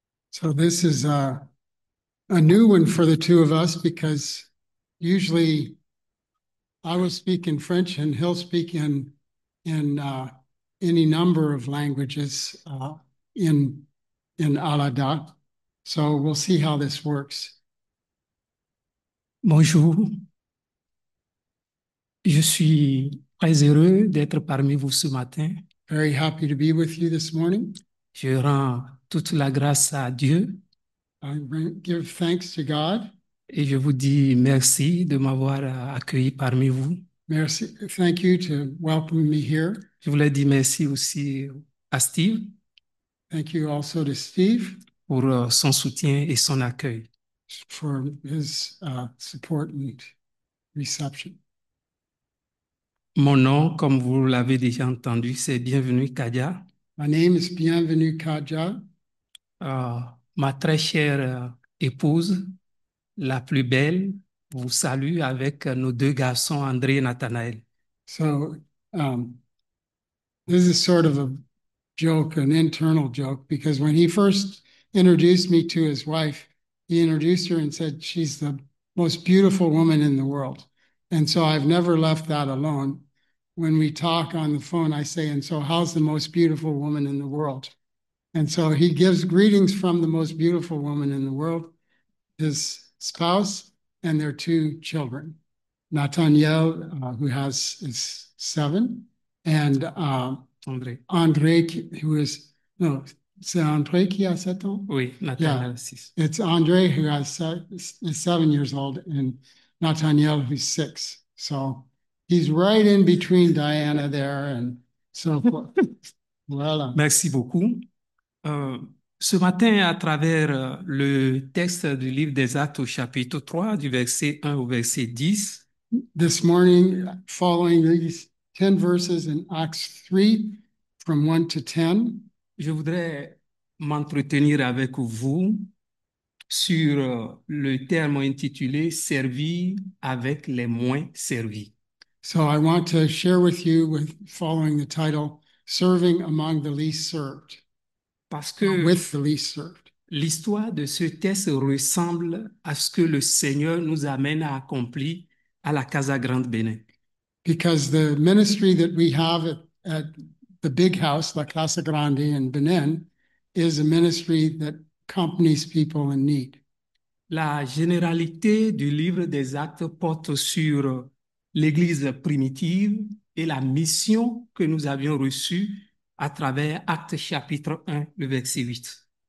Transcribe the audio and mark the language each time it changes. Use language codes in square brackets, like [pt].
[en] So this is a new one for the two of us because usually I will speak in French and he'll speak in any number of languages in Alada. So we'll see how this works. [fr] Bonjour, je suis très heureux d'être parmi vous ce matin. [en] Very happy to be with you this morning. [fr] Je rends toute la grâce à Dieu [en] I give thanks to God. [fr] et je vous dis merci de m'avoir accueilli parmi vous. Merci. [en] Thank you to welcome me here. [fr] Je voulais dire merci aussi à Steve [en] Thank you also to Steve [fr] pour son soutien et son accueil. [en] for his support and reception. [fr] Mon nom, comme vous l'avez déjà entendu, c'est Bienvenue Kadia. [en] My name is Bienvenue Kaja. [fr] Ma très chère épouse, la plus belle, vous salue avec nos deux garçons, André et Nathanaël. [en] So, this is sort of a joke, an internal joke, because when he first introduced me to his wife, he introduced her and said, she's the most beautiful woman in the world. And so I've never left that alone. When we talk on the phone, I say, and so how's the most beautiful woman in the world? And so he gives greetings from the most beautiful woman in the world, his spouse, and their two children. Nathaniel, who has is 7, and André. [fr] André, [en] who is no, [fr] c'est André qui a 7 ans. Oui, [en] Yeah, Nathanael, six. it's André who has se is 7 years old, and Nathaniel who's 6. So he's right in between Diana there, and so forth. [fr] Voilà. Merci beaucoup. Ce matin, à travers le texte du livre des Actes au chapitre 3, du verset 1 au verset 10, [en] This morning, following these 10 verses in Acts 3, from 1 to 10. [fr] je voudrais m'entretenir avec vous sur le terme intitulé Servir avec les moins servis. [en] So I want to share with you, with following the title, Serving Among the Least Served, [fr] Parce [en] or [fr] que [en] with the least served. [fr] l'histoire de ce texte ressemble à ce que le Seigneur nous amène à accomplir à la Casa Grande Bénin. [en] Because the ministry that we have at the big house, La Casa Grande in Benin, is a ministry that accompanies people in need. [fr] La généralité du livre des Actes porte sur l'Église primitive et la mission que nous avions reçue à travers Actes chapitre 1, le verset 8.